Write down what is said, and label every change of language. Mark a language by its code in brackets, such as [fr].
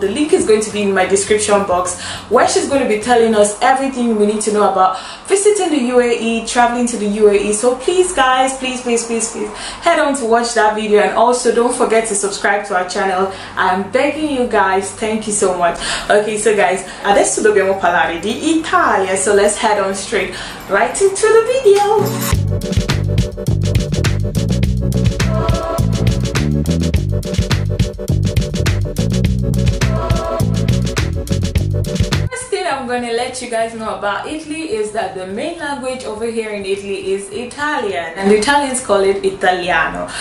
[en] The link is going to be in my description box, where she's going to be telling us everything we need to know about visiting the UAE, traveling to the UAE. So please guys, please, please, please, please, head on to watch that video. And also don't forget to subscribe to our channel. I'm begging you guys, thank you so much. Okay, so guys, [it] adesso dobbiamo parlare di Italia. [en] So let's head on straight right into the video. Gonna let you guys know about Italy is that the main language over here in Italy is Italian, and the Italians call it Italiano.